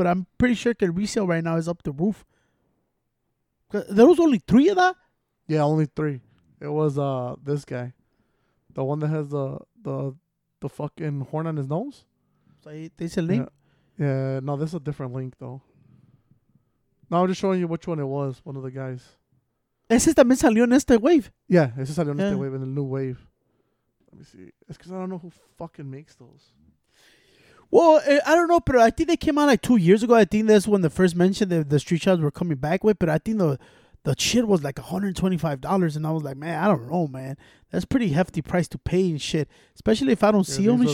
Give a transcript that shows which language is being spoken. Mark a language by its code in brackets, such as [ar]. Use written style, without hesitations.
[en] But I'm pretty sure the resale right now is up the roof. There was only three of that? Yeah, only three. It was this guy. The one that has the fucking horn on his nose. So there's a link. Yeah. Yeah, no, this is a different link, though. No, I'm just showing you which one it was, one of the guys. [es] Ese también salió en este wave. Yeah, ese salió en este wave, [en] in the new wave. Let me see. It's because I don't know who fucking makes those. Well, I don't know, but I think they came out like 2 years ago. I think that's when they first mentioned that the Street Sharks were coming back with, but I think the shit was like $125, and I was like, man, I don't know, man. That's pretty hefty price to pay and shit, especially if I don't see them and shit.